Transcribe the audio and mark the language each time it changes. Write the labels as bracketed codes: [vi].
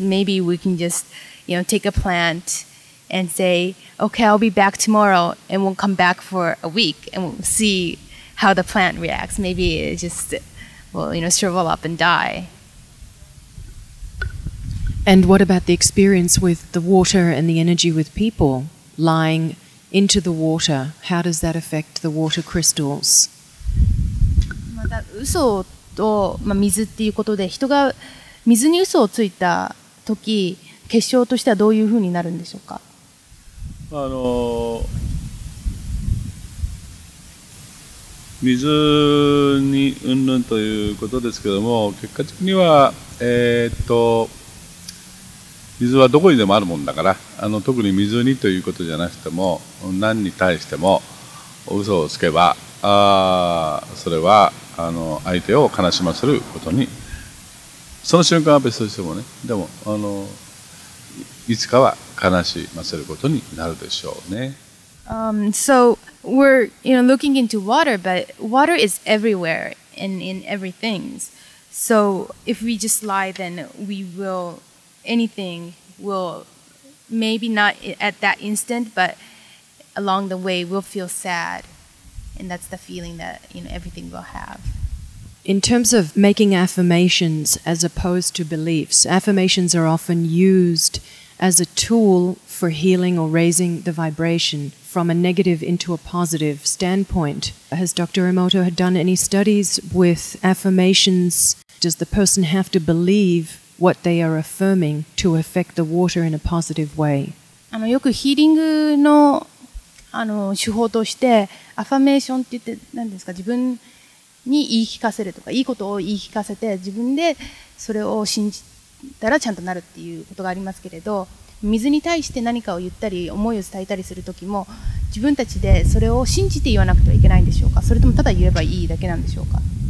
[en] Maybe we can just, you know, take a plant and say, okay, I'll be back tomorrow, and we'll come back for a week and we'll see how the plant reacts. Maybe it just will, you know, shrivel up and die. And what about the experience with the water and the energy with people lying into the water? How does that affect the water crystals? [ja] また嘘と、まあ、水っていうことで、人が水に嘘をついた時、結晶としてはどういうふうになるんでしょうか？水にうんぬんということですけども、結果的には水はどこにでもあるもんだから、特に水にということじゃなくても、何に対しても嘘をつけば、それは相手を悲しませることに、その瞬間は別としてもね、でもいつかは悲しませることになるでしょうね。 [en] So we're, you know, looking into water, but water is everywhere and in everything. So if we just lie, then we will anything will maybe not at that instant, but along the way we'll feel sad, and that's the feeling that, you know, everything will have. In terms of making affirmations as opposed to beliefs, affirmations are often used as a tool for healing or raising the vibration from a negative into a positive standpoint. Has Dr. Emoto had done any studies with affirmations? Does the person have to believe what they are affirming to affect the water in a positive way? [ja] よくヒーリングの、あの、手法として、アファメーションって言って、何ですか、自分に言い聞かせるとか、いいことを言い聞かせて、自分でそれを信じたらちゃんとなるっていうことがありますけれど、水に対して何かを言ったり、思いを伝えたりするときも、自分たちでそれを信じて言わなくてはいけないんでしょうか、それともただ言えばいいだけなんでしょうか。